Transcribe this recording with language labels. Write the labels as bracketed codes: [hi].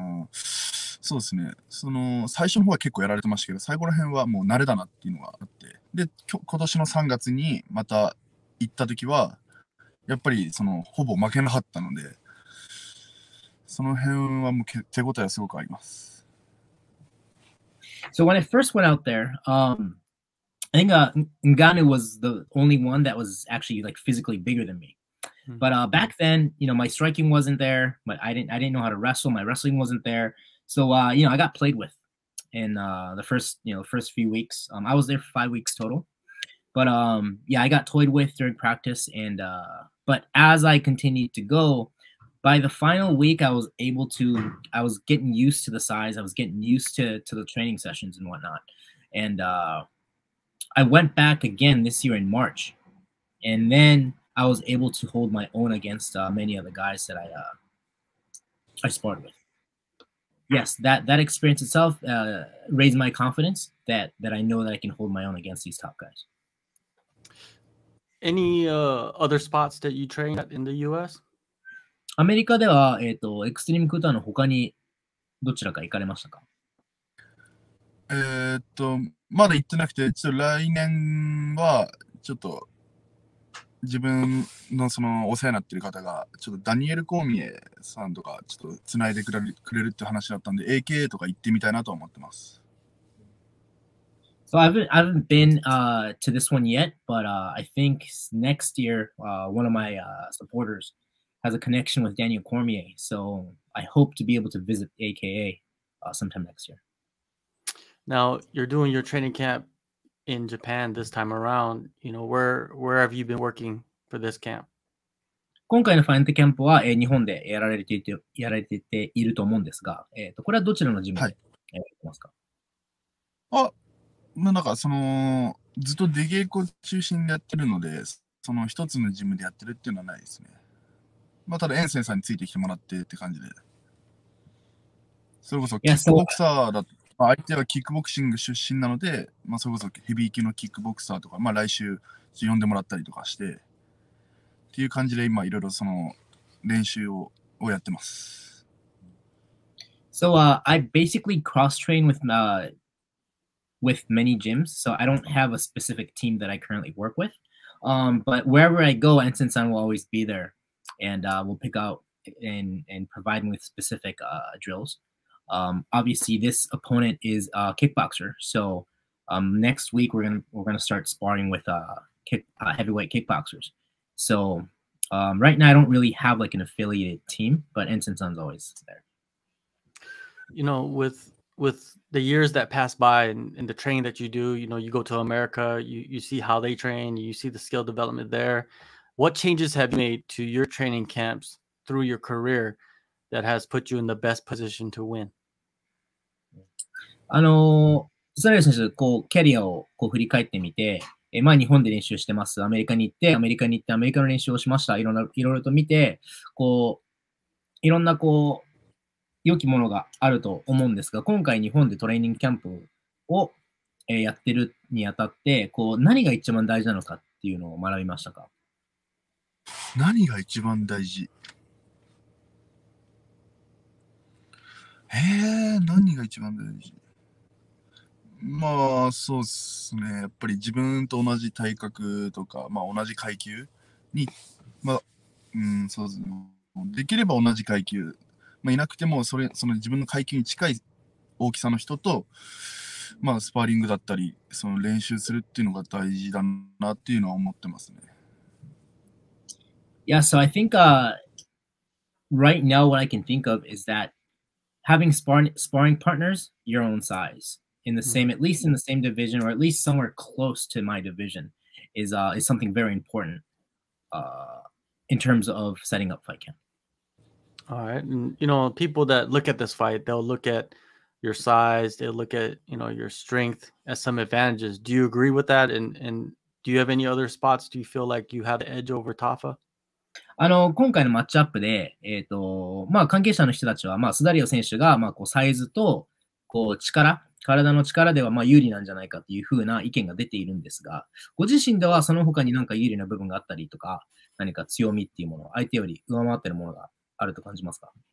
[ja] そうですね、その最初の方は結構やられてましたけど、最後ら辺はもう慣れだなっていうのがあって、で今年の3月にまた行った時はやっぱりそのほぼ負けなかったので、その辺はもう手応えはすごくあります。 [en] So when I first went out there, I think Ngannou was the only one that was actually like physically bigger than me. But back then, you know, my striking wasn't there, but I didn't know how to wrestle, my wrestling wasn't there. So, you know, I got played with in the first few weeks. I was there for 5 weeks total. But, yeah, I got toyed with during practice. And but as I continued to go, by the final week, I was getting used to the size. I was getting used to the training sessions and whatnot. And I went back again this year in March. And then I was able to hold my own against many of the guys that I sparred with. Yes, that experience itself raised my confidence that I know that I can hold my own against these top guys. Any other spots that you train at in the U.S.? [ja] アメリカでは、エクストリームクーターの他にどちらか行かれましたか？まだ行ってなくて、ちょっと来年はちょっと自分のそのお世話になってる方がちょっとダニエル・コーミエさんとかちょっとつないでくれるって話だったんで、 AKA とか行ってみたいなと思ってます。 [en] So I haven't been to this one yet, but I think next year one of my supporters has a connection with Daniel Cormier, so I hope to be able to visit AKA sometime next year. Now you're doing your training campin Japan this time around, you know, where have you been working for this camp? [ja] 今回のファイナルキャンプは日本でやられていると思うんですが、これはどちらのジムでやってますか？はい、あ、なんかそのずっと出稽古中心でやってるので、その一つのジムでやってるっていうのはないですね。まあただ遠征さんについてきてもらってって感じで、それこそキックボクサーだと、まあ、相手はキックボクシング出身なので、まあ、それこそヘビー級のキックボクサーとか、まあ、来週呼んでもらったりとかしてっていう感じで、今いろいろその練習 をやってます。 [en] So I basically cross train with many gyms, so I don't have a specific team that I currently work with, but wherever I go, Ensign-san will always be there and will pick out and provide me with specific drillsobviously this opponent is a kickboxer, so next week we're gonna start sparring with heavyweight kickboxers. So right now I don't really have like an affiliated team, but Ensign-san's always there. You know, with the years that pass by and the training that you do, you know, you go to America, you see how they train, you see the skill development there. What changes have you made to your training camps through your career that has put you in the best position to win? [ja] スダリオ選手、こう、キャリアをこう振り返ってみて、まあ、日本で練習してます。アメリカに行って、アメリカの練習をしました。いろいろと見て、こう、いろんな、こう、良きものがあると思うんですが、今回日本でトレーニングキャンプを、やってるにあたって、こう、何が一番大事なのかっていうのを学びましたか？何が一番大事？何が一番大事？まあそうですね、やっぱり自分と同じ体格とか、まあ同じ階級に、まあ、そうですね、できれば同じ階級、まあいなくてもその自分の階級に近い大きさの人と、まあスパーリングだったり、その練習するっていうのが大事だなっていうのは思ってますね。 [en] Yeah, so I think right now what I can think of is that having sparring partners your own size in the same, at least in the same division, or at least somewhere close to my division, is something very important in terms of setting up fight camp. All right. And, you know, people that look at this fight, they'll look at your size, they'll look at, you know, your strength as some advantages. Do you agree with that? And do you have any other spots? Do you feel like you have the edge over Tafa? [ja] あの今回のマッチアップで、まあ、関係者の人たちは、まあ、スダリオ選手が、まあ、こうサイズとこう力、体の力では、まあ、有利なんじゃないかというふうな意見が出ているんですが、ご自身ではその他になんか有利な部分があったりとか、何か強みっていうもの、相手より上回ってるものがあると感じますか？